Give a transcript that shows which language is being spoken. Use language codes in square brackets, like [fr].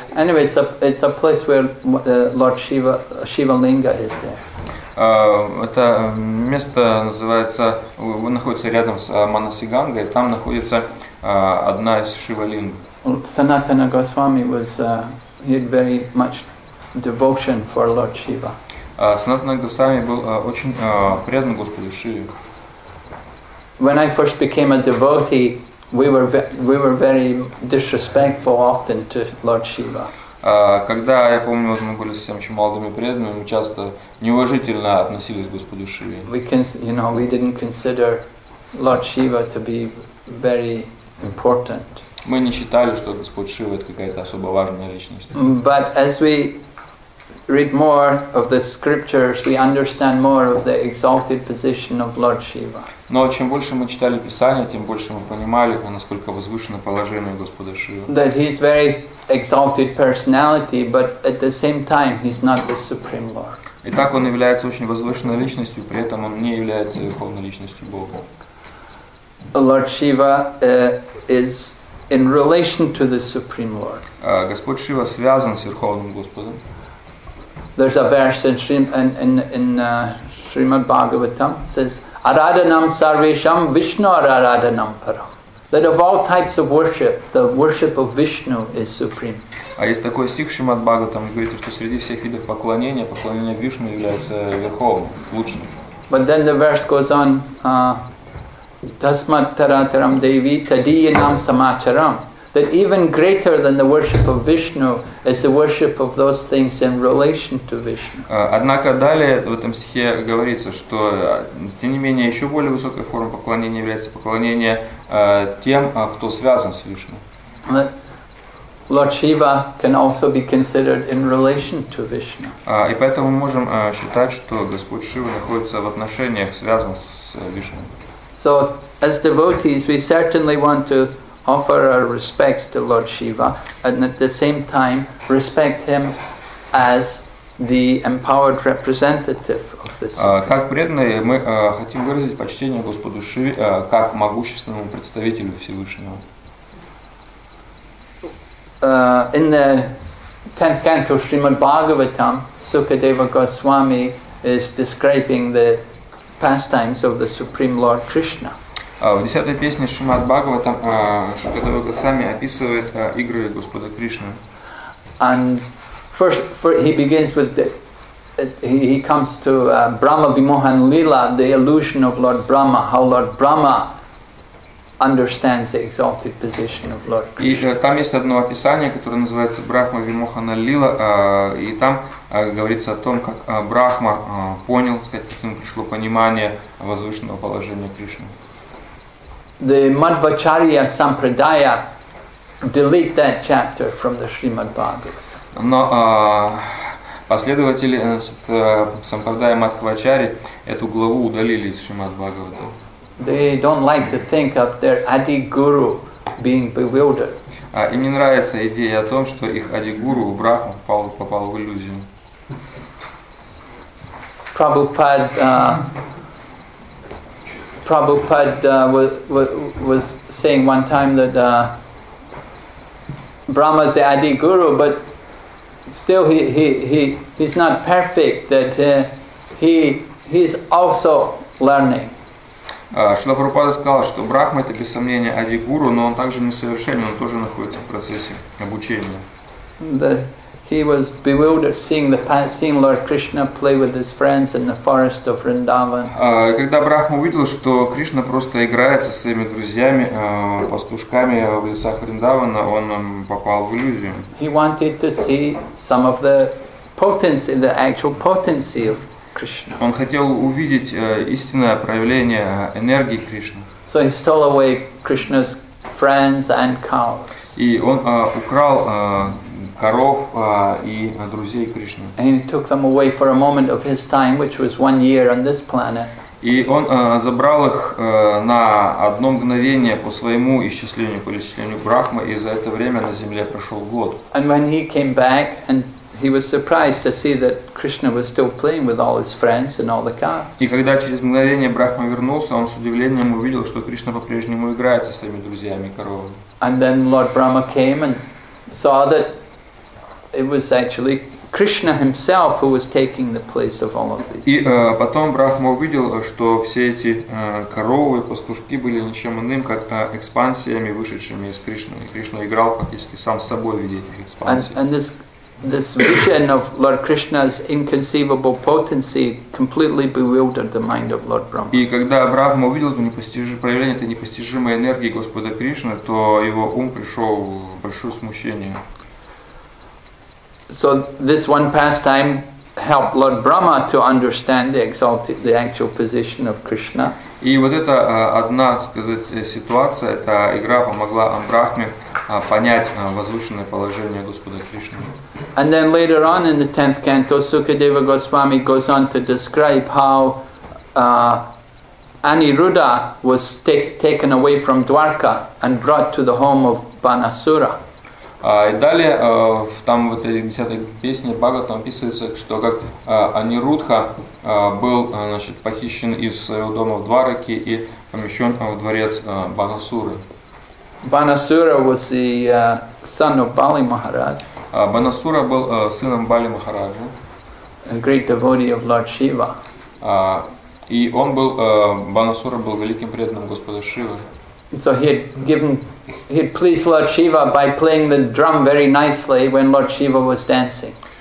[en] Anyway, it's a place where Lord Shiva Linga is there. [ru] Это место называется, находится рядом с Манасигангой, там находится одна из Шивалинг. [en] Sanatana Goswami was he had very much devotion for Lord Shiva. [ru] Sanatana Goswami был очень предан Господу Шиве. [en] When I first became a devotee, we were very disrespectful often to Lord Shiva. [ru] Когда я помню, мы были совсем очень молодыми преданными, мы часто неуважительно относились к Господу Шиве. [en] We didn't consider Lord Shiva to be very important. [ru] Мы не считали, что Господь Шива это какая-то особо важная личность. [en] But as we read more of the scriptures, we understand more of the exalted position of Lord Shiva. [ru] Но чем больше мы читали Писание, тем больше мы понимали, насколько возвышено положение Господа Шивы. [en] That he's very exalted personality, but at the same time he's not the supreme Lord. [ru] Итак, он является очень возвышенной личностью, при этом он не является верховной личностью Бога. [en] Lord Shiva is in relation to the supreme Lord. [ru] Господь Шива связан с верховным Господом. [en] There's a verse in Srimad Bhagavatam says [sa] Araadanam sarvesham Vishnu araadanam param. [en] That of all types of worship, the worship of Vishnu is supreme. [ru] А есть такой стих в Шримад Бхагаватам, говорит, что среди всех видов поклонения поклонение Вишну является верховным, лучшим. [en] But then the verse goes on, [sa] Tasmat tarataram devi tadiyanam samacharam. [en] That even greater than the worship of Vishnu is the worship of those things in relation to Vishnu. [ru] Однако далее в этом стихе говорится, что тем не менее еще более высокой формой поклонения является поклонение тем, кто связан с Вишну. [en] Lord Shiva can also be considered in relation to Vishnu. [ru] И поэтому мы можем считать, что Господь Шива находится в отношениях, связан с Вишну. [en] So as devotees, we certainly want to offer our respects to Lord Shiva and at the same time respect him as the empowered representative of this. [ru] Как преданные мы хотим выразить почтение Господу Шиве как могущественному представителю Всевышнего. [en] In the 10th canto of Srimad Bhagavatam, Sukadeva Goswami is describing the pastimes of the Supreme Lord Krishna. [ru] В 10-й песне Шримад Бхагаватам Шукадева Госвами описывает игры Господа Кришны. [en] And first he begins with he comes to Brahma Vimohan Lila, the illusion of Lord Brahma, how Lord Brahma understands the exalted position of Lord Krishna. [ru] И там есть одно описание, которое называется Брахма Вимохана Лила, и там говорится о том, как Брахма понял, так сказать, каким пришло понимание возвышенного положения Кришны. [en] The Madhvacharya Sampradaya delete that chapter from the Srimad Bhagavatam. [ru] Но последователи Сампрадая Мадхвачари эту главу удалили из Шримад Бхагавата. [en] They don't like to think of their Adi Guru being bewildered. [ru] Им не нравится идея о том, что их Ади Гуру Брахма попал в иллюзию. [en] Prabhupada was saying one time that Brahma is the Adi Guru, but still he's not perfect. That he's also learning. [ru] Шрила Прабхупада сказал, что Брахма это без сомнения Ади Гуру, но он также несовершенен, он тоже находится в процессе обучения. [en] He was bewildered seeing Lord Krishna play with his friends in the forest of Vrindavan. [ru] Когда Брахма увидел, что Кришна просто играет со своими друзьями, пастушками в лесах Вриндавана, он попал в иллюзию. [en] He wanted to see some of the potency, the actual potency of Krishna. [ru] Он хотел увидеть истинное проявление энергии Кришны. [en] So he stole away Krishna's friends and cows. [ru] И он украл коров и друзей Кришны. [en] And he took them away for a moment of his time, which was 1 year on this planet. [ru] И он забрал их на одно мгновение по своему исчислению, по исчислению Брахмы, и за это время на земле прошел год. [en] And when he came back, and he was surprised to see that Krishna was still playing with all his friends and all the cows. [ru] И когда через мгновение Брахма вернулся, он с удивлением увидел, что Кришна по-прежнему играет со своими друзьями и коровами. [en] And then Lord Brahma came and saw that it was actually Krishna himself who was taking the place of all of these. [ru] И потом Брахма увидел, что все эти коровы, пастушки были ничем иным, как экспансиями, вышедшими из Кришны. И Кришна играл практически сам с собой в виде этих экспансий. [en] And this vision of Lord Krishna's inconceivable potency completely bewildered the mind of Lord Brahma. [ru] И когда Брахма увидел проявление этой непостижимой энергии Господа Кришны, то его ум пришел в большое смущение. [en] So this one pastime helped Lord Brahma to understand the actual position of Krishna. [ru] И вот эта одна, так сказать, ситуация, эта игра помогла Брахме понять возвышенное положение Господа Кришны. [en] And then later on in the 10th canto, Sukadeva Goswami goes on to describe how Aniruddha was taken away from Dwarka and brought to the home of Banasura. [ru] И далее в там в этой 10-й песне Бхагаватам описывается, что как Анирудха был, значит, похищен из своего дома в Двараке и помещен в дворец Банасуры. [en] Банасура was the son of Бали Махарадж. [ru] Банасура был сыном Бали Махараджа. [en] A great devotee of Lord Shiva. [ru] И он был Банасура был великим преданным Господа Шивы. [en] So he had given, he had pleased Lord Shiva by playing the drum very nicely when Lord Shiva was dancing.